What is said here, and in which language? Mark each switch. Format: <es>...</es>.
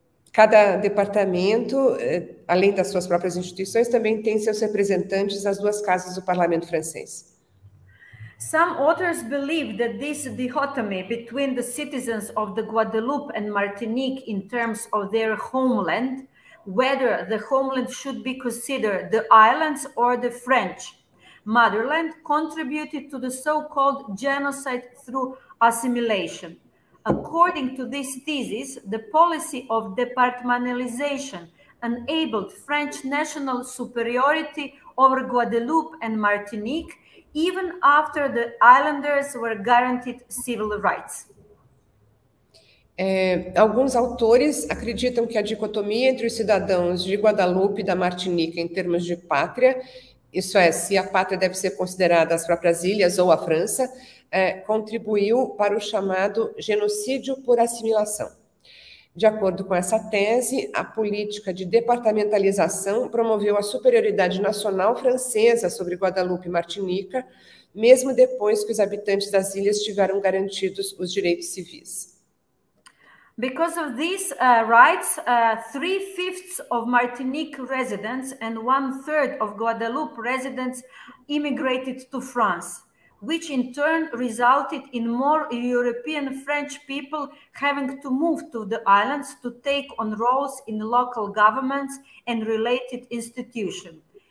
<pt>Cada departamento, além das suas próprias instituições, também tem seus representantes nas duas casas do parlamento francês.</pt> <en>Some authors believe that this dichotomy between the citizens of the Guadeloupe and Martinique in terms of their homeland, whether the homeland should be considered the islands or the French motherland, contributed to the so-called genocide through assimilation. According to this thesis, the policy of departmentalization enabled French national superiority over Guadeloupe and Martinique, even after the islanders were guaranteed civil rights.</en> <pt>Alguns autores acreditam que a dicotomia entre os cidadãos de Guadeloupe e da Martinique em termos de pátria, isso é, se a pátria deve ser considerada as próprias ilhas ou a França, contribuiu para o chamado genocídio por assimilação. De acordo com essa tese, a política de departamentalização promoveu a superioridade nacional francesa sobre Guadeloupe e Martinica, mesmo depois que os habitantes das ilhas tiveram garantidos os direitos civis.</pt> <en>Because of these rights, three-fifths of Martinique residents and one-third of Guadeloupe residents immigrated to France, which in turn resulted in more European French people having to move to the islands to take on roles in local governments and related institutions.</en>